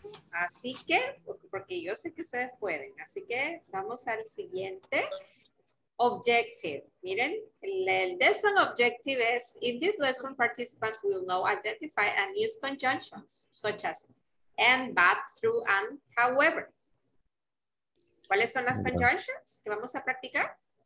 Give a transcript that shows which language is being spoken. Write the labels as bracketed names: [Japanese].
[Spanish] Así que, porque yo sé que ustedes pueden. Así que vamos al siguiente. Objective. Miren, el [English] lesson objective is, in this lesson, participants will know, identify, and use conjunctions, such as and, but, through, and, however. [Spanish] ¿Cuáles son las conjunctions que vamos a practicar?